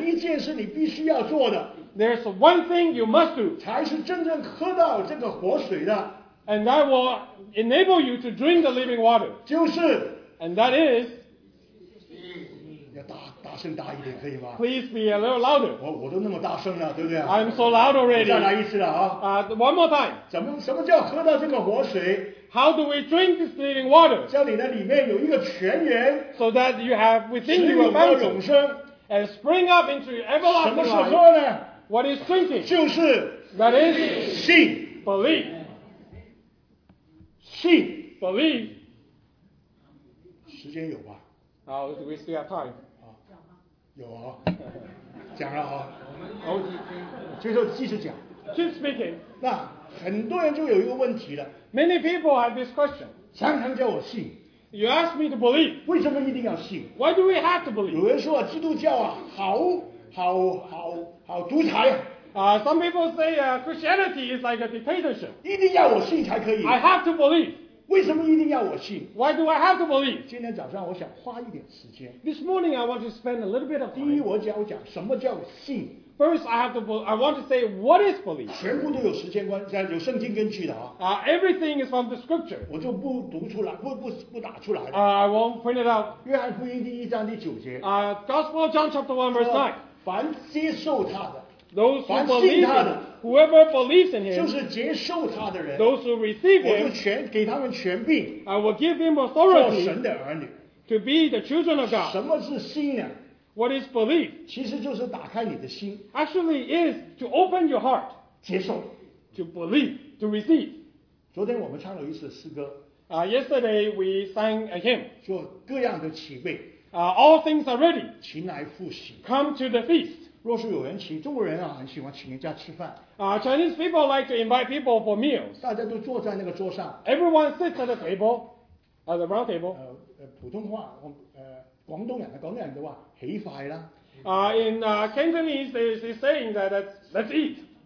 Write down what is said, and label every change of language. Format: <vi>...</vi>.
<zh>有一件事你必须要做的。</zh> <en>There's one thing you must do.</en> <zh>才是真正喝到这个活水的。</zh> <en>And that will enable you to drink the living water.</en> <zh>就是。</zh> <en>And that is.</en> <zh>要大声大一点可以吗？</zh> <en>Please be a little louder.</en> <zh>我都那么大声了，对不对？</zh> <en>I'm so loud already.</en> <zh>再来一次了啊。</zh> <en>One more time.</en> <zh>什么叫喝到这个活水？</zh> <en>How do we drink this living water?</en> <zh>叫你的里面有一个泉源。</zh> <en>So that you have within you a fountain.</en> <zh>永生。</zh> <en>And spring up into everlasting life.</en> <zh>什么是喝呢？</zh> <en>What is drinking?</en> <zh>就是。</zh> <en>That is.</en> <zh>信。</zh> <en>Believe.</en> <zh>信。</zh> <en>Believe.</en> <zh>时间有吧？</zh> <en>Now, do we still have time?</en> <zh>有啊。讲了啊。我们好几天。最后继续讲。</zh> <en>Keep speaking.</en> <zh>那很多人就有一个问题了。</zh> <en>Many people have this question.</en> <zh>常常叫我信。</zh> <en>You ask me to believe.</en> <zh>为什么一定要信？</zh> <en>Why do we have to believe?</en> <zh>有人说基督教啊，好独裁。</zh> <en>Some people say Christianity is like a dictatorship.</en> <zh>一定要我信才可以。</zh> <en>I have to believe.</en> <zh>为什么一定要我信？</zh> <en>Why do I have to believe?</en> <zh>今天早上我想花一点时间。</zh> <en>This morning I want to spend a little bit of time.</en> <zh>第一我要讲什么叫信。</zh> <en>First, I want to say what is belief.</en> <zh>全部都有时间关，有圣经根据的啊。</zh> <en>Everything is from the scripture.</en> <zh>我就不读出来，不打出来。</zh> <en>I won't print it out.</en> <zh>约翰福音第一章第九节。</zh> <en>Gospel John chapter 1 verse 9.</en> <zh>凡接受他的，</zh> <en>those who</en> <zh>凡信他的，</zh> <en>whoever believes in him,</en> <zh>就是接受他的人，</zh> <en>those who receive him,</en> <zh>我就全给他们权柄。</zh> <en>I will give him authority.</en> <zh>做神的儿女。</zh> <en>To be the children of God.</en> <zh>什么是信呢？</zh> <en>What is belief?</en> <zh>其实就是打开你的心。</zh> <en>Actually, is to open your heart.</en> <zh>接受。</zh> <en>To believe, to receive.</en> <zh>昨天我们唱了一首诗歌。</zh> <en>Yesterday we sang a hymn.</en> <zh>做各样的齐备。</zh> <en>All things are ready.</en> <zh>勤来复习。</zh> <en>Come to the feast.</en> <zh>若是有人请，中国人啊很喜欢请人家吃饭。</zh> <en>Chinese people like to invite people for meals.</en> <zh>大家都坐在那个桌上。</zh> <en>Everyone sits at the table, at the round table.</en> <zh>普通话，广东人啊，广东人的话。起快啦！</zh> <en>Cantonese, there is a saying that let's eat.</en>